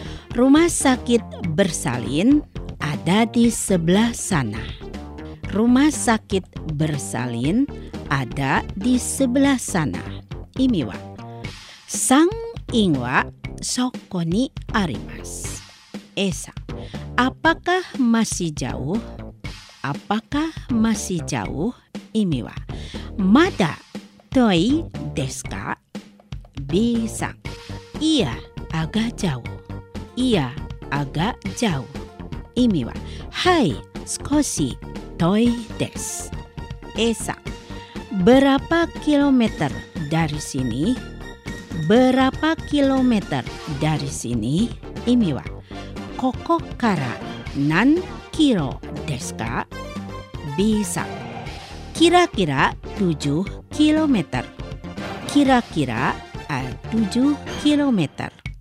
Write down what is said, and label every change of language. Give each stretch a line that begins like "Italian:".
Indonesian: Rumah sakit bersalin ada di sebelah sana. Rumah sakit bersalin ada di sebelah sana.
Japanese: 意味は、産院はそこにあります。
Indonesian: A さん、apakah masih jauh? Apakah masih jauh?
Japanese: 意味は、まだ遠いですか?
Indonesian: B さん、iya, agak jauh. Iya, agak jauh.
Japanese: 意味は、はい、少し遠いです。A さん、
Indonesian: berapa kilometer? Dari sini, berapa kilometer dari sini?
Japanese: Imi wa, koko kara nan kiro deska?
Indonesian: Bisa. Kira-kira 7 kilometer. Kira-kira 7 kilometer.